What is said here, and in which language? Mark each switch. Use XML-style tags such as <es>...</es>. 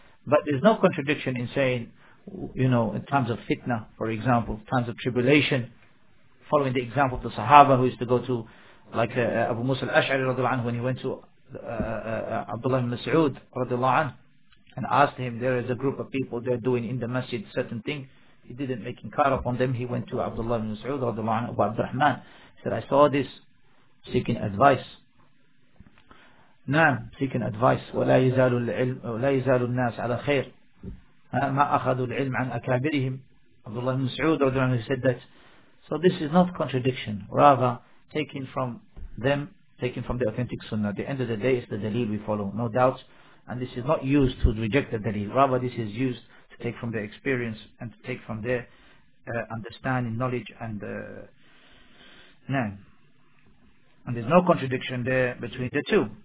<en>But there's no contradiction in saying, you know, in times of fitna, for example, times of tribulation, following the example of the Sahaba who used to go to, like Abu Musa al-Ash'ari radiallahu anhu, when he went to Abdullah ibn Mas'ud radiallahu anhu and asked him, there is a group of people, they're doing in the masjid certain thing. He didn't make inkar upon them. He went to Abdullah ibn Mas'ud radiallahu anhu, Abu Abdurrahman, said, I saw this, seeking advice. نعم seeking advice.</en> <ar>ولا يزال العلم ولا يزال الناس على خير ما أخذوا العلم عن أكابرهم عبد الله بن مسعود رضي الله عنه</ar> <en>said that. So this is not contradiction, rather taking from them, taking from the authentic Sunnah. At the end of the day, it's the Dalil we follow, no doubt. And this is not used to reject the Dalil. Rather, this is used to take from their experience and to take from their understanding, knowledge, and And there's no contradiction there between the two.</en>